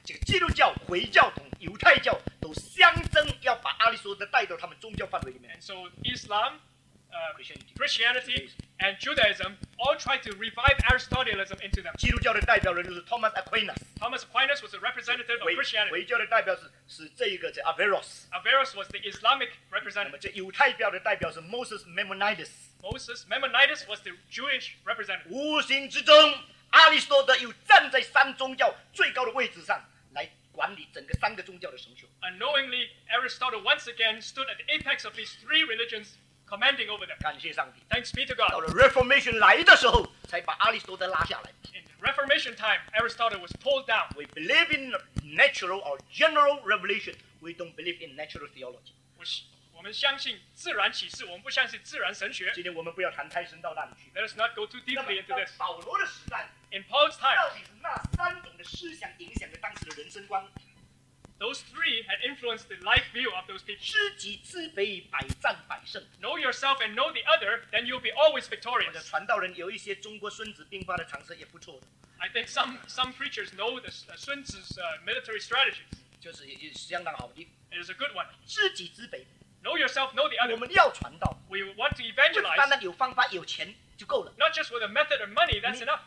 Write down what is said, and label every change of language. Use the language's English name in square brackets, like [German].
[Chinese] 那么为这个缘故呢，当时基督教、天主教，那个时候只有天主教，这个基督教、回教同犹太教。都相争要把阿里斯多德带到他们宗教范围里面。 [English] And so Islam, Christianity, and Judaism all tried to revive Aristotelianism into them. [Chinese] 基督教的代表人就是 Thomas Aquinas. [English] Thomas Aquinas was a representative of Christianity. [Chinese] 回教的代表是这一个叫 Averroes. [English] Averroes was the Islamic representative. [Chinese] 那么这犹太教的代表是 Moses Maimonides. [English] Moses Maimonides was the Jewish representative. [Chinese] 无形之中，阿里斯多德又站在三宗教最高的位置上。 [English] Unknowingly, Aristotle once again stood at the apex of these three religions, commanding over them. [Chinese] 感谢上帝。 [English] Thanks be to God. [Chinese] 到了 Reformation 来的时候，才把阿里斯多德拉下来。 [English] In the Reformation time, Aristotle was pulled down. We believe in natural or general revelation. We don't believe in natural theology. [Chinese] 我们相信自然启示，我们不相信自然神学。今天我们不要谈太深到那里去。 [English] Let us not go too deeply into this. [Chinese] 保罗的时代， [English] In Paul's time, [Chinese] 到底是那三种的思想影响了当时的人生观。 [English] Those three had influenced the life view of those people. [Chinese] 知己知彼，百战百胜。 [English] Know yourself and know the other, then you'll be always victorious. [Chinese] 我的传道人有一些中国孙子兵法的常识也不错的。 [English] I think some preachers know the Sun Tzu's military strategies. [Chinese] 就是也相当好的。 [English] It is a good one. [Chinese] 知己知彼。 [English] Know yourself, know the other. [Chinese] 我们要传道。 [English] We want to evangelize. [Chinese] 不单单有方法，有钱。就够了。 [English] Not just with a method or money, that's enough.